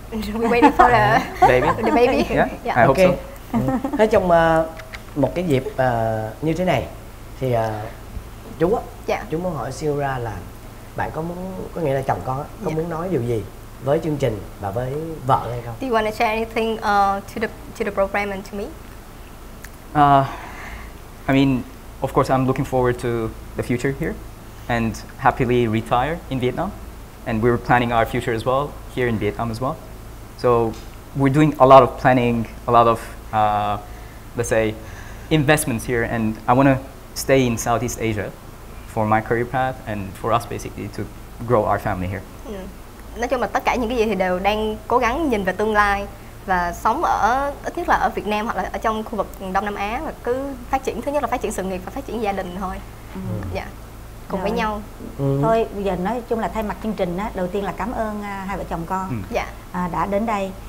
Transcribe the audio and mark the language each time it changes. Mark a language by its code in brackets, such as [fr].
[en] We waiting for the baby. The baby. Yeah. Yeah. I hope okay. So. [vi] Nói chung một cái dịp như thế này thì chú á, [en] yeah. [vi] Chú muốn hỏi Siura là bạn có muốn, có nghĩa là chồng con á, có yeah. muốn nói điều gì với chương trình và với vợ hay không? [en] Do you want to share anything to the program and to me? I mean, of course, I'm looking forward to the future here and happily retire in Vietnam. And we're planning our future as well here in Vietnam as well. So we're doing a lot of planning, a lot of, let's say, investments here. And I want to stay in Southeast Asia for my career path and for us basically to grow our family here. Mm. [vi] Nói chung là tất cả những cái gì thì đều đang cố gắng nhìn về tương lai. Và sống ở ít nhất là ở Việt Nam hoặc là ở trong khu vực Đông Nam Á, và cứ phát triển, thứ nhất là phát triển sự nghiệp và phát triển gia đình thôi. Dạ. Cùng với nhau. Thôi bây giờ nói chung là thay mặt chương trình á, đầu tiên là cảm ơn hai vợ chồng con đã đến đây.